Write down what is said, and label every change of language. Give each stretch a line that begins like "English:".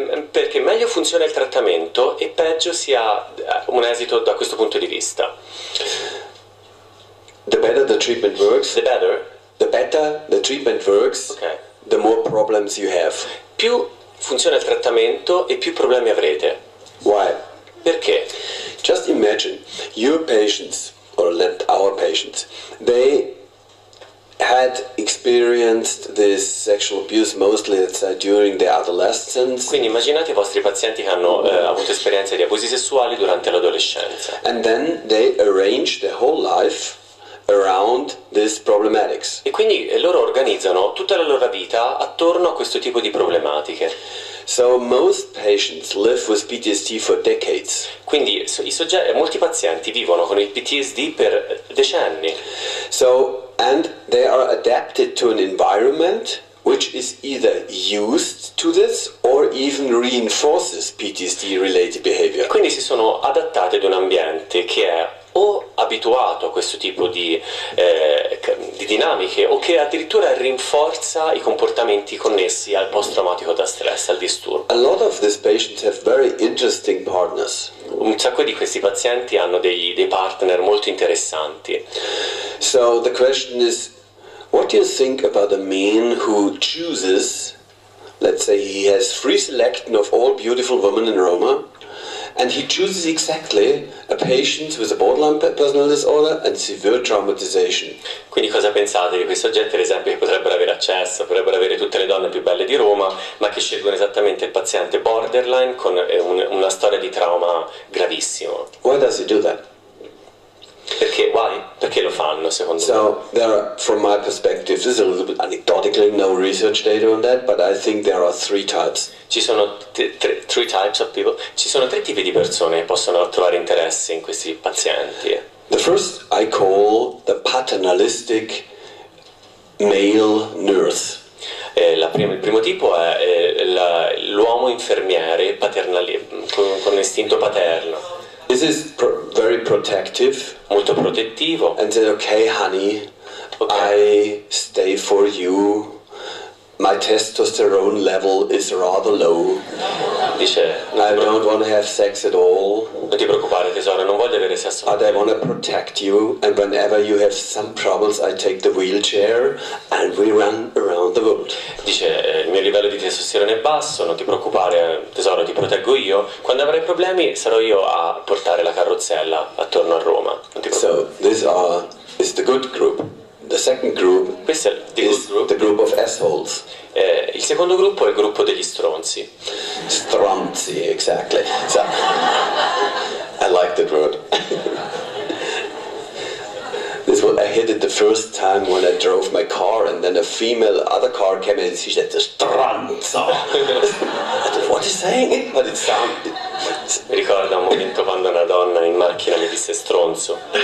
Italian: Perché meglio funziona il trattamento e peggio si ha un esito da questo punto di vista.
English: The better the treatment works, the better the treatment works, okay. The more problems you have.
Italian: Più funziona il trattamento e più problemi avrete.
English: Why?
Italian: Perché?
English: Just imagine your patients, or let our patients, they had experienced this sexual abuse mostly, let's say, during their adolescence.
Italian: Quindi immaginate i vostri pazienti che hanno avuto esperienze di abusi sessuali durante l'adolescenza.
English: And then they arrange their whole life around these problematics.
Italian: E quindi loro organizzano tutta la loro vita attorno a questo tipo di problematiche.
English: So most patients live with PTSD for decades.
Italian: Quindi molti pazienti vivono con il PTSD per decenni.
English: So and they are adapted to an environment which is either used to this or even reinforces PTSD related behavior.
Italian: Quindi si sono adattati ad un ambiente che è o abituato a questo tipo di dinamiche o che addirittura rinforza i comportamenti connessi al post traumatico da stress, al disturbo.
English: A lot of these patients have very interesting partners.
Italian: Un sacco di questi pazienti hanno dei partner molto interessanti.
English: So the question is, what do you think about a man who chooses, let's say he has free selection of all beautiful women in Roma, and he chooses exactly a patient with a borderline personality disorder and severe traumatization.
Italian: Quindi cosa pensate di questo gente, ad esempio, che potrebbero avere accesso, potrebbero avere tutte le donne più belle di Roma, ma che scelgono esattamente il paziente borderline con una storia di trauma gravissimo?
English: Why does he do that?
Italian: Perché?
English: Why?
Italian: Perché lo fanno, secondo
English: so,
Italian: me?
English: So, there are, from my perspective, this is a little bit anecdotically, no research data on that, but I think there are three types.
Italian: Ci sono
English: three types of people.
Italian: Ci sono tre tipi di persone che possono trovare interesse in questi pazienti.
English: The first I call the paternalistic male nurse.
Italian: Il primo tipo è l'uomo infermiere paternale con istinto paterno.
English: This is very protective.
Italian: Molto protettivo.
English: And said, okay, honey, okay. I stay for you. My testosterone level is rather low.
Italian: Dice,
English: I don't want to have sex at all.
Italian: Non ti preoccupare, tesoro, non voglio avere sesso.
English: But I want to protect you, and whenever you have some problems, I take the wheelchair and we run around the world.
Italian: Dice, il mio livello di testosterone è basso, non ti preoccupare, tesoro, ti proteggo io. Quando avrai problemi, sarò io a portare la carrozzella attorno a Roma. Non ti preoccupare.
English: So this is the good group. The second group is the group of assholes.
Italian: Il secondo gruppo è il gruppo degli stronzi.
English: Stronzi, exactly. So, I like that word. This was, I hit it the first time when I drove my car, and then a female other car came in and she said, "Stronzo." What is saying? But it sounded.
Italian: Mi ricorda un momento quando una donna in macchina mi disse stronzo.